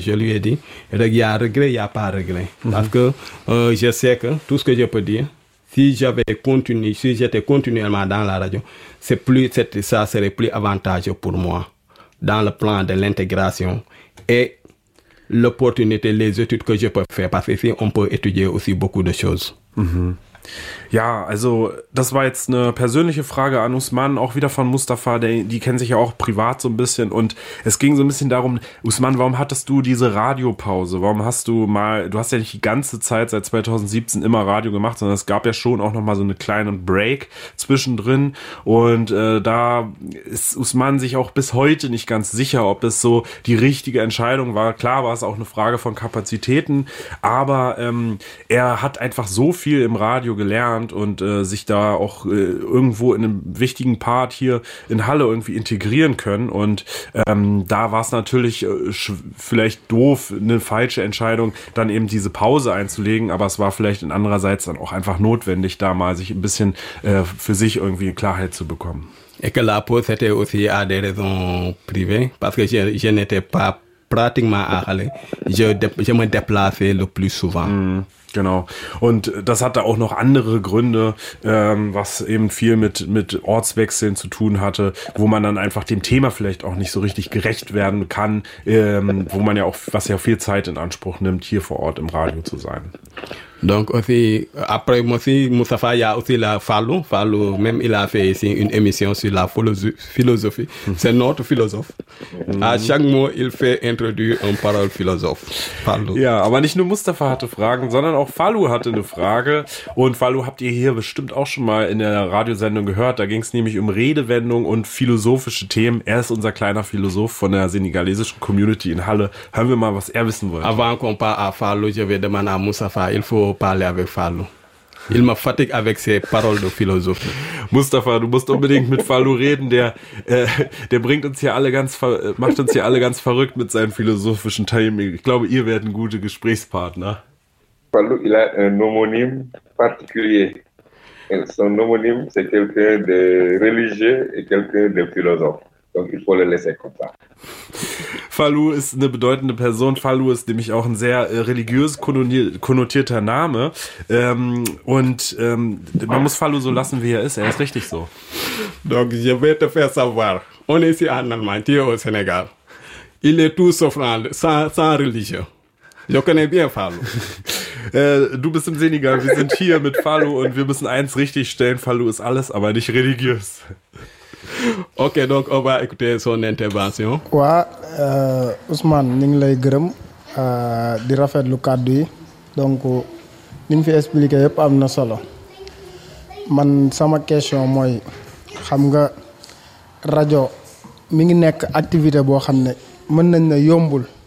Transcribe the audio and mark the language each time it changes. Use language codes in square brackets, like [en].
[fr] Je lui ai dit, il n'y a pas de regret. Parce que je sais que tout ce que je peux dire, si j'étais continuellement dans la radio, ça serait plus avantageux pour moi dans le plan de l'intégration et l'opportunité, les études que je peux faire. Parce que ici, on peut étudier aussi beaucoup de choses. [de] Ja, also das war jetzt eine persönliche Frage an Usman, auch wieder von Mustafa, die kennen sich ja auch privat so ein bisschen und es ging so ein bisschen darum, Usman, warum hattest du diese Radiopause? Warum hast du mal, du hast ja nicht die ganze Zeit seit 2017 immer Radio gemacht, sondern es gab ja schon auch nochmal so eine kleine Break zwischendrin und da ist Usman sich auch bis heute nicht ganz sicher, ob es so die richtige Entscheidung war. Klar war es auch eine Frage von Kapazitäten, aber er hat einfach so viel im Radio gelernt und sich da auch irgendwo in einem wichtigen Part hier in Halle irgendwie integrieren können. Und da war es natürlich vielleicht doof, eine falsche Entscheidung, dann eben diese Pause einzulegen. Aber es war vielleicht andererseits dann auch einfach notwendig, da mal sich ein bisschen für sich irgendwie Klarheit zu bekommen. [fr] Et que la pause était aussi à des raisons privées, parce que je n'étais pas pratiquement à Halle. Je me déplaçais le plus souvent. [de] Genau. Und das hat da auch noch andere Gründe, was eben viel mit Ortswechseln zu tun hatte, wo man dann einfach dem Thema vielleicht auch nicht so richtig gerecht werden kann, wo man ja auch, was ja viel Zeit in Anspruch nimmt, hier vor Ort im Radio zu sein. [fr] Donc aussi, après aussi, Mustafa, il y a aussi la Fallou. Fallou, même il a fait ici une émission sur la philosophie. C'est notre philosophe. À chaque mot, il fait introduire une parole philosophe. Fallou. [de] Ja, aber nicht nur Mustafa hatte Fragen, sondern auch Fallou hatte eine Frage. Und Fallou habt ihr hier bestimmt auch schon mal in der Radiosendung gehört. Da ging es nämlich um Redewendung und philosophische Themen. Er ist unser kleiner Philosoph von der senegalesischen Community in Halle. Hören wir mal, was er wissen wollte. [fr] Avant qu'on parle à Fallou, je vais demander à Mustafa, il faut parler avec Fallou. Il m'a fatigué avec ses paroles de philosophie. [de] Mustafa, du musst unbedingt mit Fallou reden. Der bringt uns hier alle ganz, macht uns hier alle ganz verrückt mit seinen philosophischen Themen. Ich glaube, ihr werdet ein guter Gesprächspartner. [fr] Fallou, il a un homonyme particulier. Son homonyme, c'est quelqu'un de religieux et quelqu'un de philosophe. Donc, il faut le laisser comme ça. [de] Fallou ist eine bedeutende Person. Fallou ist nämlich auch ein sehr religiös konnotierter Name. Man muss Fallou so lassen, wie er ist. Er ist richtig so. [fr] Donc, je vais te faire savoir. On est ici en Allemagne, hier au Sénégal. Il est tout souffrant, sans religion. Je connais bien Fallou. [de] Du bist im Senegal, wir sind hier mit Fallou und wir müssen eins richtig stellen. Fallou ist alles, aber nicht religiös. [fr] Ok, donc on va écouter son intervention. Quoi, Ousmane, nous sommes très heureux de refaire le cadre. Donc, nous avons expliqué tout ce qu'il y a. Moi, ma question est, tu sais, la radio, il y a une activité qui peut être très difficile.